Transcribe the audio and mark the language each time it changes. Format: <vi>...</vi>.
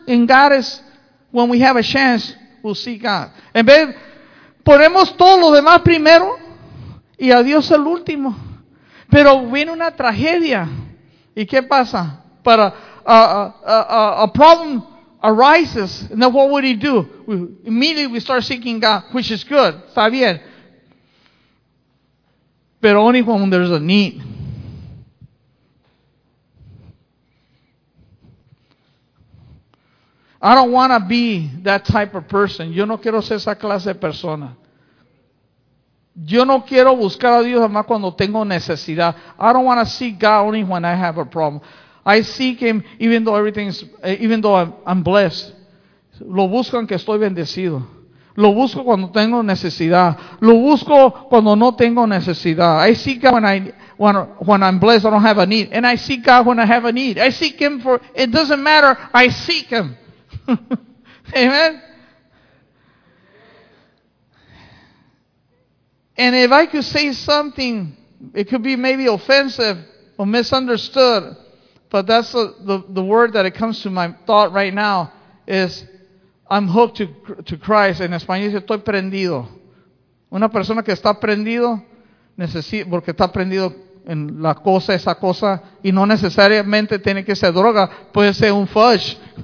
<en>And God is, when we have a chance, we'll see God.</en> <es>En vez, ponemos todo lo demás primero y a Dios el último. Pero viene una tragedia. ¿Y qué pasa?</es> <en>Para a problem arises. And then what would He do? Immediately we start seeking God, which is good.</en> <es>Está bien.</es> <en>But only when there's a need. I don't want to be that type of person.</en> <es>Yo no quiero ser esa clase de persona. Yo no quiero buscar a Dios más cuando tengo necesidad.</es> <en>I don't want to seek God only when I have a problem. I seek Him even though I'm blessed.</en> <es>Lo busco aunque estoy bendecido. Lo busco cuando tengo necesidad. Lo busco cuando no tengo necesidad.</es> <en>I seek God when I'm blessed, I don't have a need. And I seek God when I have a need. I seek Him for, it doesn't matter, I seek Him. Amen? And if I could say something It could be maybe offensive or misunderstood, but that's the word that it comes to my thought right now is I'm hooked to Christ.</en> <es>En español dice estoy prendido. Una persona que está prendido necesita porque está prendido en la cosa, esa cosa, y no necesariamente tiene que ser droga, puede ser un fudge.</es>